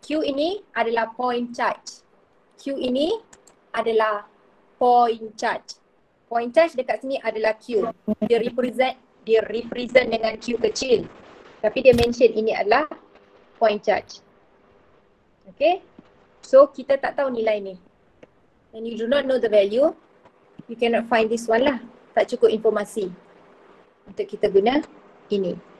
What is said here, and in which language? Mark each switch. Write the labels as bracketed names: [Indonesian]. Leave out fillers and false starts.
[Malay] Q ini adalah point charge. Q ini adalah point charge. Point charge dekat sini adalah Q. Dia represent, dia represent dengan Q kecil. Tapi dia mention ini adalah point charge. Okay? So kita tak tahu nilai ni. [English] And you do not know the value, you cannot find this one lah. [Malay] Tak cukup informasi untuk kita guna ini.